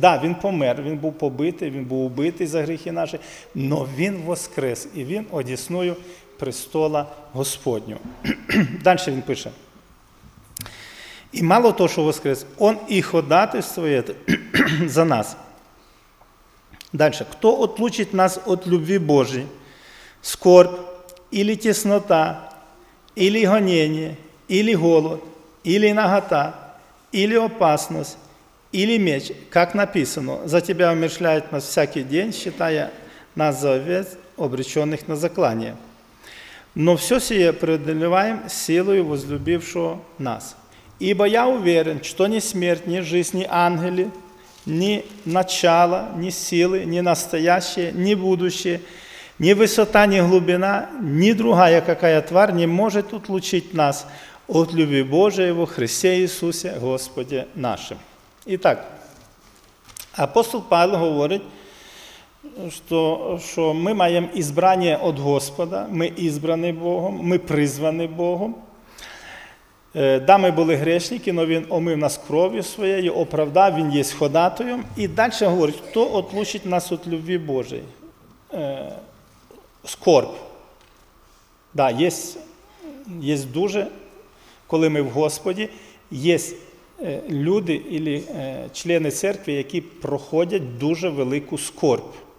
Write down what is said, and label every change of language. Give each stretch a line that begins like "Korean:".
Ukrainian: Так, да, Він помер, Він був побитий, Він був убитий за гріхи наші, но Він воскрес, і Він одісною престола Господнього. Далі він пише. І мало того, що воскрес, Он і ходатайствує за нас.
Russian: Дальше. Хто отлучить нас от любви Божої? Скорб, ілі теснота, ілі гонення, ілі голод, ілі нагота, ілі опасність, ілі меч, як написано, за тебе умершляють нас всякий день, считая нас за овец, обречених на заклання. Но все сие преодолеваем силою возлюбившого нас. Ибо я уверен, что ни смерть, ни жизнь, ни ангели, ни начало, ни силы, ни настоящее, ни будущее, ни высота, ни глубина, ни другая какая тварь не может отлучить нас от любви Божией во Христе Иисусе Господе нашим. Итак, апостол Павел говорит, что мы имеем избрание от Господа, мы избраны Богом, мы призваны Богом.
Ukrainian: Да, ми були грешники, але Він омив нас кров'ю своєю, оправдав, Він є ходатою. І далі говорить, хто отлучить нас від любви Божої? Скорб. Да, є дуже, коли ми в Господі, є люди або члени церкви, які проходять дуже велику скорб.